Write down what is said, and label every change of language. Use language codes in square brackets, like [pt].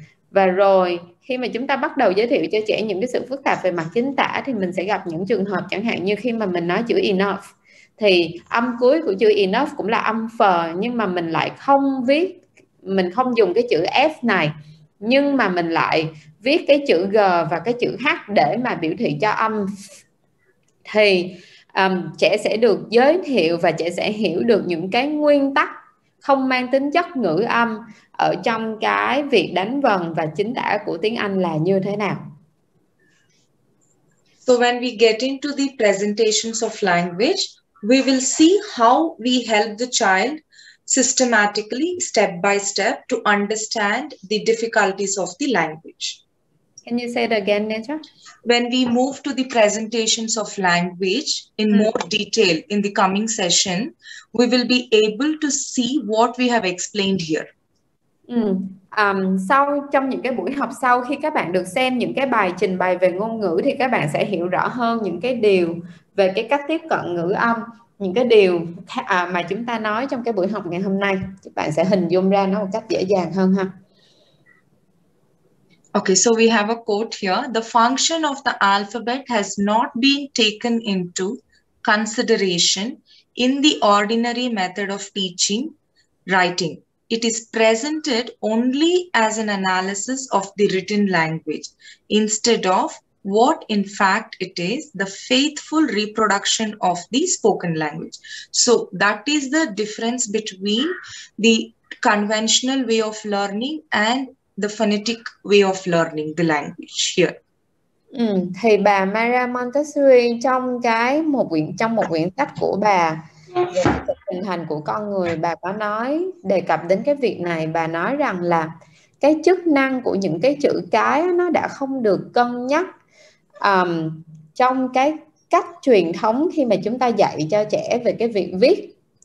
[vi] Và rồi khi mà chúng ta bắt đầu giới thiệu cho trẻ những cái sự phức tạp về mặt chính tả thì mình sẽ gặp những trường hợp chẳng hạn như khi mà mình nói chữ enough thì âm cuối của chữ enough cũng là âm phờ, nhưng mà mình lại không viết, mình không dùng cái chữ F này, nhưng mà mình lại viết cái chữ G và cái chữ H để mà biểu thị cho âm. Thì trẻ sẽ được giới thiệu và trẻ sẽ hiểu được những cái nguyên tắc không mang tính chất ngữ âm ở trong cái việc đánh vần và chính tả của tiếng Anh là như thế nào. [en] So when we get into the presentations of language, we will see how we help the child systematically, step by step, to understand the difficulties of the language. Can you say it again, Neja? When we move to the presentations of language in more detail in the coming session, we will be able to see what we have explained here. Sau trong những cái buổi học sau, khi các bạn được xem những cái bài trình bày về ngôn ngữ, thì các bạn sẽ hiểu rõ hơn những cái điều về cái cách tiếp cận ngữ âm, những cái điều mà chúng ta nói trong cái buổi học ngày hôm nay. Các bạn sẽ hình dung ra nó một cách dễ dàng hơn ha. Okay, so we have a quote here. The function of the alphabet has not been taken into consideration in the ordinary method of teaching writing. It is presented only as an analysis of the written language instead of what in fact it is, the faithful reproduction of the spoken language. So that is the difference between the conventional way of learning and the phonetic way of learning the language here. [vi] Thì bà Maria Montessori trong một quyển sách của bà về sự hình thành của con người, bà có nói đề cập đến cái việc này. Bà nói rằng là cái chức năng của những cái chữ cái nó đã không được cân nhắc trong cái cách truyền thống khi mà chúng ta dạy cho trẻ về cái việc viết.